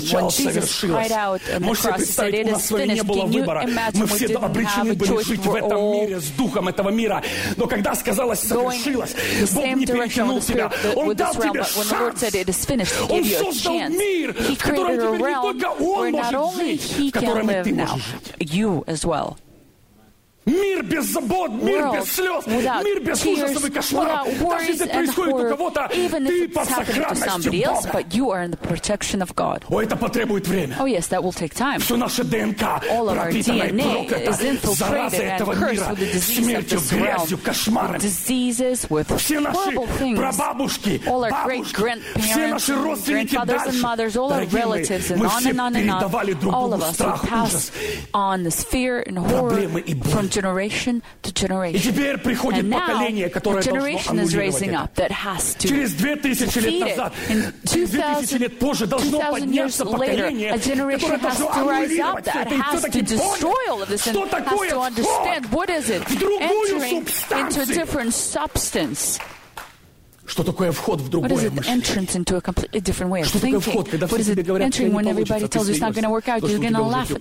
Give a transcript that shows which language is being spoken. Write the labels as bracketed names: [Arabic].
[English] When Jesus cried out on the cross and said, it is finished, can you imagine we didn't have a choice? We're all obligated to live in this world with the spirit of this world. But when it was finished, God didn't change you. He gave you a chance. He created a realm where not only he can live now, you as well. [Russian] Мир без забот, мир без слез, мир без ужасов и кошмаров. Даже если происходит у кого-то, ты под сохранностью Бога. О, это потребует время. [English] Oh, yes, that will take time. [Russian] Все наше ДНК пропитано и проклято заразой этого мира, смертью, грязью, кошмарами. Все наши прабабушки, бабушки, все наши родственники дальше, дорогие мои, мы все передавали друг другу страх, ужас, проблемы и боль. [English] Generation to generation. [Russian] И теперь приходит поколение, которое должно аннулировать это. Через 2000 лет назад, 2000 лет позже должно подняться поколение, которое должно аннулировать это. И все-таки понять, что такое вход в другую субстанцию. Что такое вход в другое мышление? [English] What is it? Entrance into a completely different way of [Russian] что [English] thinking. [Russian] Такое вход, когда все тебе говорят, что не [English] when everybody tells you it's not going to work out, you're going to laugh at